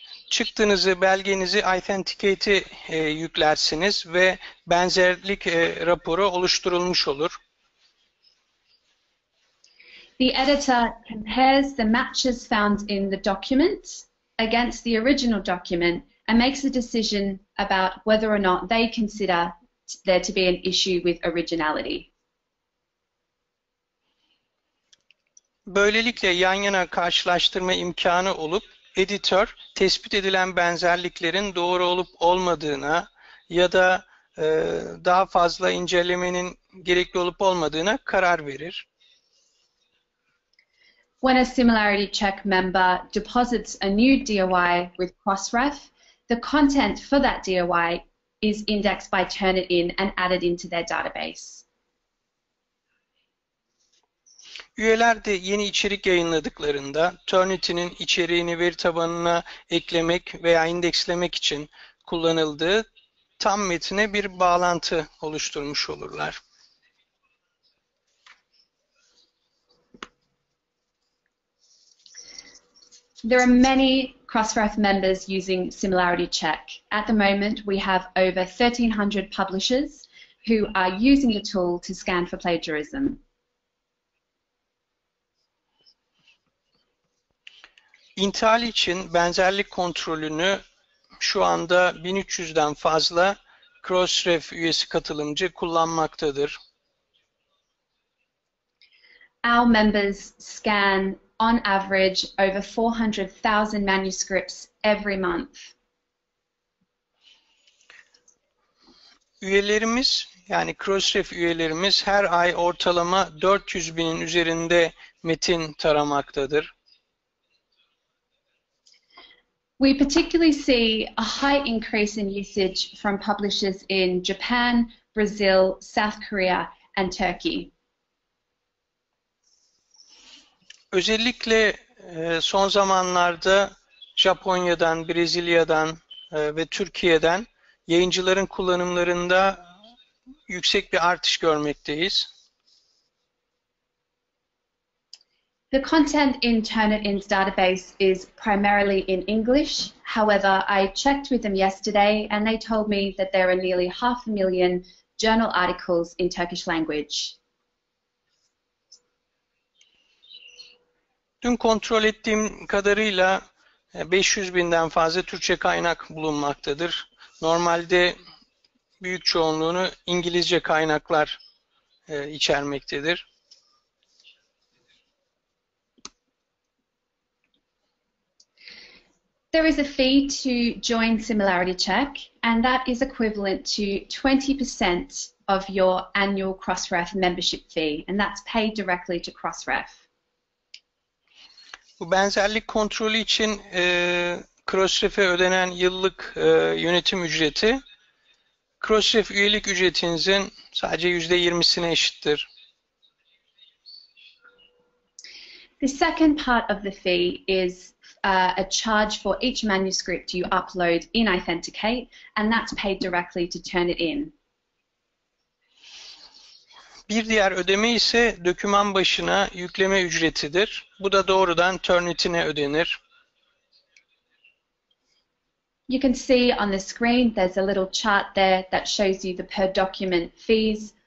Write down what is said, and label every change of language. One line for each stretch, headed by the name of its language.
Turkish: Çıktığınızı, belgenizi authenticate'i yüklersiniz ve benzerlik raporu oluşturulmuş olur.
English: The editor compares the matches found in the document against the original document and makes a decision about whether or not they consider there to be an issue with originality.
Turkish: Böylelikle yan yana karşılaştırma imkanı olup editör, tespit edilen benzerliklerin doğru olup olmadığına ya da daha fazla incelemenin gerekli olup olmadığına karar verir.
English: When a similarity check member deposits a new DOI with Crossref, the content for that DOI is indexed by Turnitin and added into their database.
Turkish: Üyeler de yeni içerik yayınladıklarında Turnitin'in içeriğini veri tabanına eklemek veya indekslemek için kullanıldığı tam metine bir bağlantı oluşturmuş olurlar.
English: There are many Crossref members using similarity check. At the moment we have over 1300 publishers who are using the tool to scan for plagiarism.
Turkish: İntihal için benzerlik kontrolünü şu anda 1300'den fazla Crossref üyesi katılımcı kullanmaktadır.
English: Our members scan on average over 400,000 manuscripts every month.
Turkish: Üyelerimiz, yani Crossref üyelerimiz her ay ortalama 400 binin üzerinde metin taramaktadır.
English: We particularly see a high increase in usage from publishers in Japan, Brazil, South Korea and Turkey.
Turkish: Özellikle son zamanlarda Japonya'dan, Brezilya'dan ve Türkiye'den yayıncıların kullanımlarında yüksek bir artış görmekteyiz.
English: The content in Turnitin's database is primarily in English. However, I checked with them yesterday and they told me that there are nearly 500,000 journal articles in Turkish language.
Turkish: Dün kontrol ettiğim kadarıyla 500 binden fazla Türkçe kaynak bulunmaktadır. Normalde büyük çoğunluğunu İngilizce kaynaklar içermektedir.
English: There is a fee to join Similarity Check, and that is equivalent to 20% of your annual Crossref membership fee, and that's paid directly to Crossref.
Turkish: Bu benzerlik kontrolü için Crossref'e ödenen yıllık yönetim ücreti, Crossref üyelik ücretinizin sadece %20'sine eşittir.
English: The second part of the fee is a charge for each manuscript you upload in Authenticate, and that's paid directly to Turnitin.
Turkish: Bir diğer ödeme ise doküman başına yükleme ücretidir. Bu da doğrudan Turnitin'e ödenir.
English: You can see on the screen there's a little chart there that shows you the per document fees.